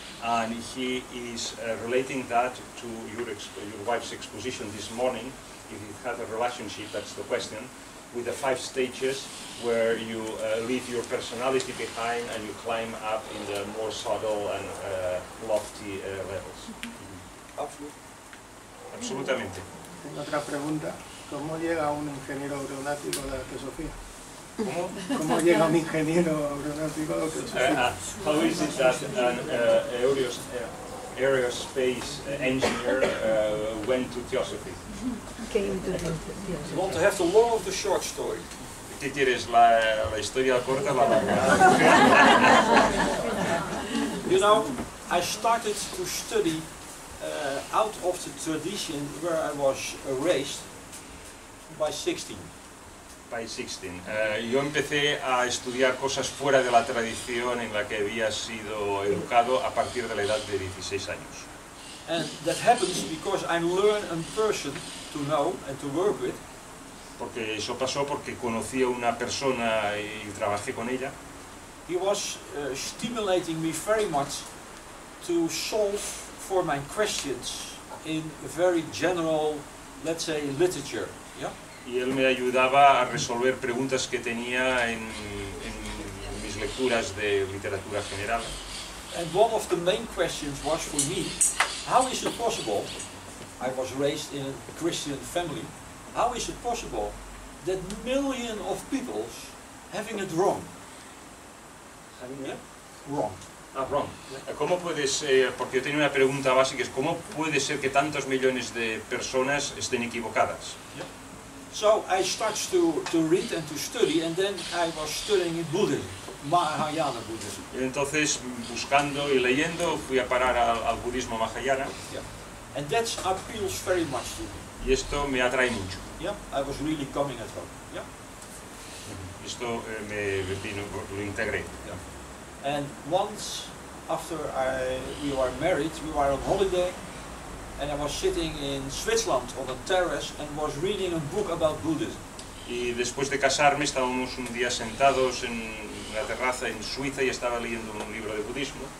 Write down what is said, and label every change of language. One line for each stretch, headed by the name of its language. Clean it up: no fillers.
English: And he is relating that to your wife's exposition this morning, if it had a relationship, that's the question, with the five stages where you leave your personality behind and you climb up in the more subtle and lofty levels. Mm-hmm. Absolutely. Absolutely.
Spanish: Otra pregunta. ¿Cómo llega un ingeniero aeronáutico a la teosofía? ¿Cómo llega un ingeniero aeronáutico a la teosofía?
English: How is it that an aerospace engineer went to theosophy? You want to have the long of the short story?
Spanish: ¿Qué quieres? ¿La historia corta o la larga?
English: You know, I started to study out of the tradition where I was raised by 16. By 16.
Spanish: Yo empecé a estudiar cosas fuera de la tradición en la que había sido educado a partir de la edad de 16 años.
English: And that happens because I learned a person to know and to work with.
Spanish: Porque eso pasó porque conocí a una persona y trabajé con ella.
English: He was stimulating me very much to solve for my questions in very general, let's say, literature. Yeah?
Spanish: Y él me ayudaba a resolver preguntas que tenía en mis lecturas de literatura general.
English: And one of the main questions was for me, how is it possible, I was raised in a Christian family, how is it possible that millions of people having it wrong? Having it wrong.
Spanish: Ah,
English: wrong.
Spanish: ¿Cómo puede ser? Porque yo tenía una pregunta básica, es ¿cómo puede ser que tantos millones de personas estén equivocadas?
English: So I started to read and to study, and then I was studying in Buddhism, Mahayana Buddhism.
Spanish: Y entonces, buscando y leyendo, fui a parar al budismo Mahayana.
English: Yeah. And that appeals very much to me.
Spanish: Y esto me atrae mucho.
English: Yeah, I was really coming at home. Yeah.
Spanish: Esto me vino, lo integré.
English: Yeah. And once after we were married, we were on holiday, and I was sitting in Switzerland on a terrace and was reading a book about Buddhism.
Spanish: Y después de casarme estábamos un día sentados en la terraza en Suiza y estaba leyendo un libro de budismo.